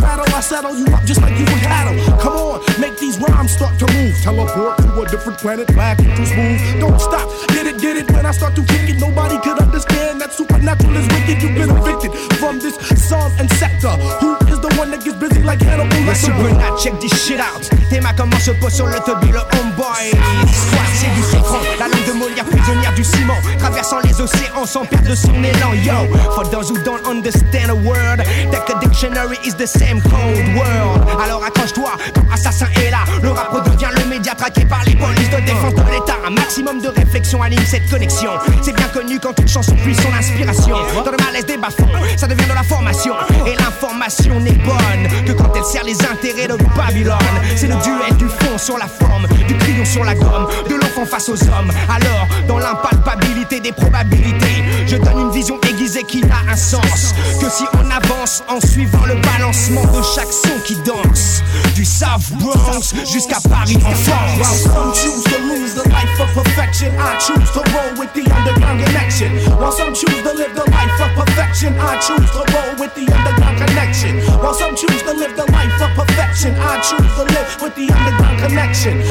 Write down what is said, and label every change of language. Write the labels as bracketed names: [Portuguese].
[English] Battle, I settle you up just like you would cattle. Come on, make these rhymes start to move. Teleport to a different planet, black to smooth. Don't stop, get it when I start to kick it. Nobody could understand that supernatural is wicked. You've been evicted from this sun and sector. Who is the one that gets busy like Hannibal Lecter? Listen, when I check this shit out, [French] t'aimes à comment je pose sur le tobi le homeboy. Histoire, c'est du souffrant, la langue de Molière prisonnière du ciment, traversant les océans sans perdre son élan. [English] Yo, for those who don't understand a word, take a dictionary, is the same cold world. [French] Alors accroche-toi, ton assassin est là. Le rap redevient le média traqué par les polices de défense de l'État. Un maximum de réflexion anime cette connexion. C'est bien connu quand une chanson puise son inspiration. Dans le malaise des bas-fonds, ça devient de la formation. Et l'information n'est bonne que quand elle sert les intérêts de Babylone. C'est le duel du fond sur la forme, du crayon sur la gomme, de l'enfant face aux hommes. Alors, dans l'impalpabilité des probabilités, je donne une vision aiguisée qui n'a un sens que si on avance en suivant le balancement de chaque son qui danse. Du South Bronx jusqu'à Paris en France. [English] While some choose to lose the life of perfection, I choose to roll with the underground connection. While some choose to live the life of perfection, I choose to roll with the underground connection. While some choose to live the life of perfection, I choose to live with the underground connection.